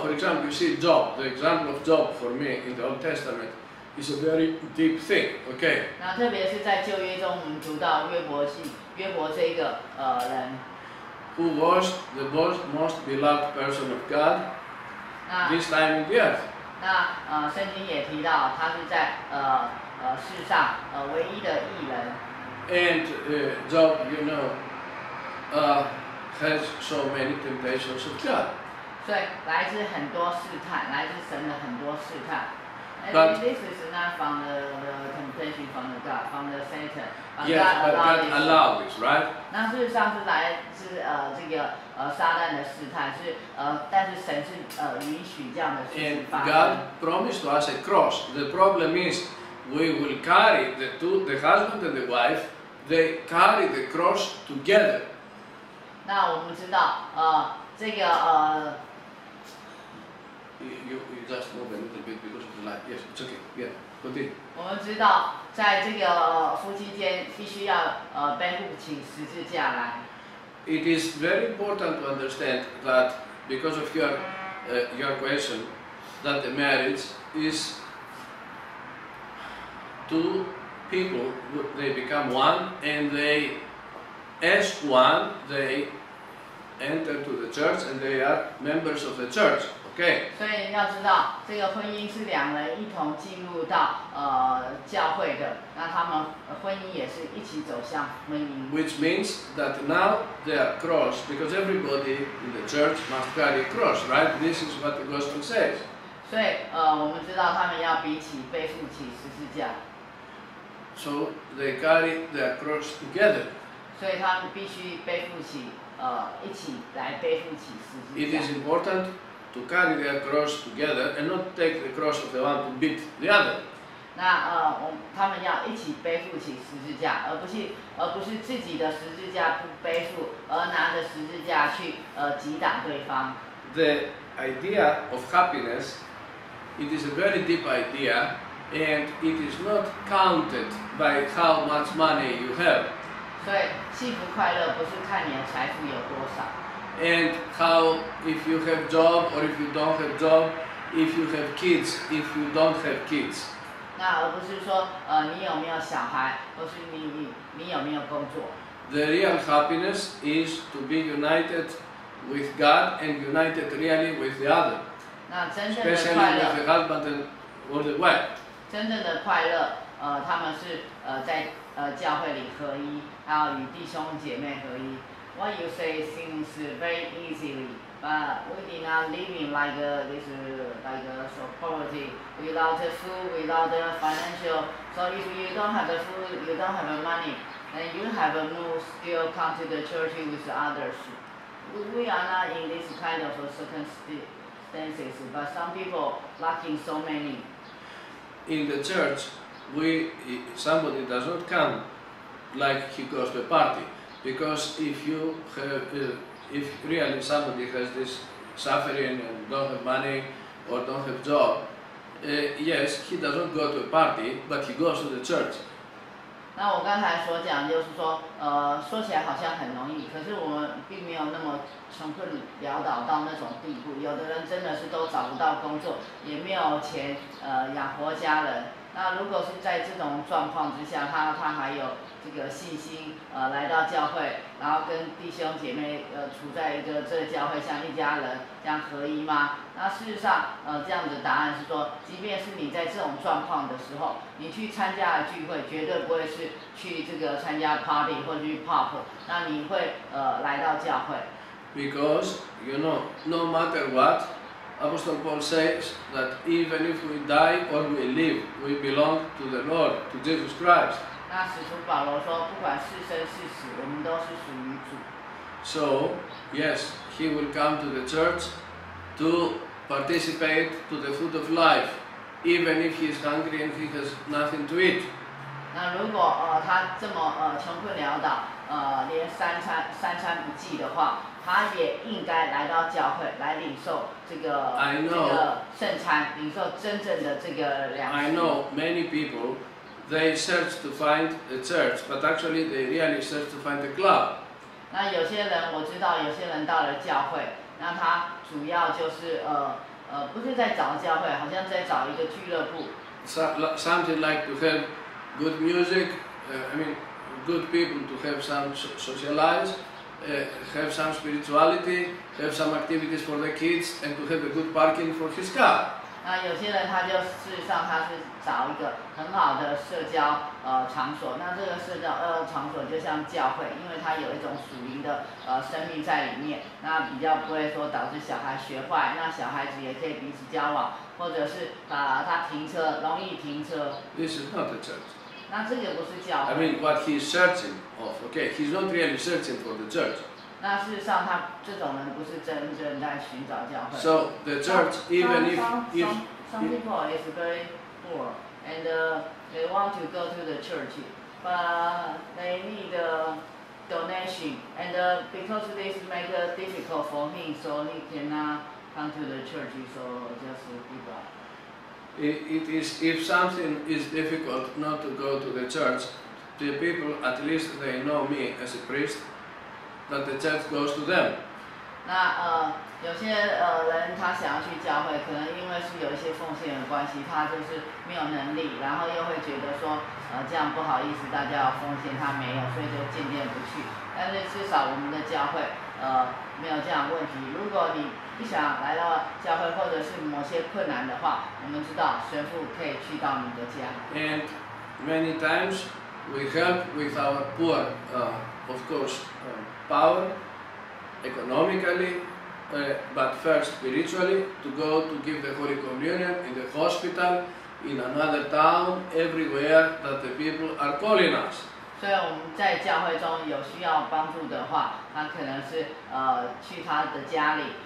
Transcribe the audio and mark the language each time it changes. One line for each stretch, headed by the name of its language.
English: For example, you see Job. The example of Job for me in the Old Testament is a very deep thing. Okay.
Chinese: 那特别是在旧约中，我们读到约伯这个人。
English: Who was the most beloved person of God? This time in the earth.
Chinese: 那圣经也提到他是在世上唯一的义人。
English: And Job, you know, has so many temptations of God.
Chinese: 所以来自很多试探，来自神的很多试探。
English: But this is not from the temptation from the God, from the Satan. Yes, but God allowed it, right?
Chinese: 那事实上是来自这个撒旦的试探，是但是神是允许这样的事情发生。
English: And God promised to us a cross. The problem is, we will carry the husband and the wife, they carry the cross together.
Chinese: 那我们知道这个
English: You just move a little bit because of the light. Yes, it's okay. Yeah, continue.
Chinese: 我们知道，在这个夫妻间必须要背负起十字架来。
English: It is very important to understand that because of your question, that the marriage is two people. They become one, and they as one they enter to the church, and they are members of the church. Okay.
Chinese: 所以你要知道，这个婚姻是两人一同进入到教会的，那他们婚姻也是一起走向婚姻。
English: Which means that now they are cross, because everybody in the church must carry a cross, right? This is what the gospel says.
Chinese: 所以我们知道他们要彼此背负起十字架。
English: So they carry their cross together.
Chinese: 所以他们必须背负起一起来背负起十字架。
English: It is important.To carry their cross together and not take the cross of the one to beat the other.
Chinese: 那他们要一起背负起十字架，而不是自己的十字架不背负，而拿着十字架去抵挡对方。
English: The idea of happiness, it is a very deep idea, and it is not counted by how much money you have.
Chinese: 所以幸福快乐不是看你的财富有多少。
English: And how if you have job or if you don't have job, if you have kids, if you don't have kids.
Chinese: 那而不是说你有没有小孩，或是你有没有工作。
English: The real happiness is to be united with God and united really with the other.
Chinese: 那真正的快乐。
English: Especially with the husband and with the wife.
Chinese: 真正的快乐，他们是在教会里合一，还有与弟兄姐妹合一。
English: What you say seems very easily, but we are not living like a society without the food, without the financial. So if you don't have the food, you don't have the money, then you have no still come to the church with others. We are not in this kind of circumstances, but some people lacking so many. In the church, somebody does not come like he goes to a party. Because if you have, if really somebody has this suffering and don't have money or don't have job, yes, he doesn't go to a party, but he goes to the church.
Chinese: 那我刚才所讲就是说，说起来好像很容易，可是我们并没有那么穷困潦倒到那种地步。有的人真的是都找不到工作，也没有钱，养活家人。那如果是在这种状况之下，他还有这个信心，来到教会，然后跟弟兄姐妹，处在一个这个教会像一家人这样合一吗？那事实上，这样的答案是说，即便是你在这种状况的时候，你去参加的聚会，绝对不会是去这个参加 party 或者去 pub， 那你会来到教会。
English: Because you know, no matter what. Apostle Paul says that even if we die or we live, we belong to the Lord, to Jesus Christ.
Chinese: 那使徒保罗说，不管是生是死，我们都是属于主。
English: So, yes, he will come to the church to participate to the food of life, even if he is hungry and he has nothing to eat.
Chinese: 那如果他这么穷困潦倒，连三餐不济的话。他也应该来到教会来领受这个圣餐，领受真正的这个粮食。
English: I know many people, they search to find a church, but actually they really search to find a club.
Chinese: 那有些人我知道，有些人到了教会，那他主要就是不是在找教会，好像在找一个俱乐部。
English: Something like to have good music, good people to have some socialize. Have some spirituality, have some activities for the kids, and to have a good parking for his car.
Chinese: 那有些人他就事实上他是找一个很好的社交场所，那这个社交场所就像教会，因为他有一种属灵的生命在里面，那比较不会说导致小孩学坏，那小孩子也可以彼此交往，或者是他停车容易停车。
English: This is not a church.
Chinese: 那这个不是教会。
English: I mean, what he's searching of, okay, he's not really searching for the church.
Chinese: 那事实上，他这种人不是真正在寻找教会。
English: So the church, even if some people is very poor and they want to go to the church, but they need a donation and because this make it difficult for him, so he cannot come to the church, so just give up. It is if something is difficult not to go to the church, the people at least they know me as a priest, that the church goes to them.
Chinese: 那有些人他想要去教会，可能因为是有一些奉献的关系，他就是没有能力，然后又会觉得说这样不好意思，大家要奉献他没有，所以就渐渐不去。但是至少我们的教会没有这样问题。如果你不想来到教会，或者是某些困难的话，我们知道神父可以去到你的家。
English: And many times we help with our poor, of course, power, economically, but first spiritually to go to give the Holy Communion in the hospital, in another town, everywhere that the people are calling us.
Chinese: 所以我们在教会中有需要帮助的话，他可能是去他的家里，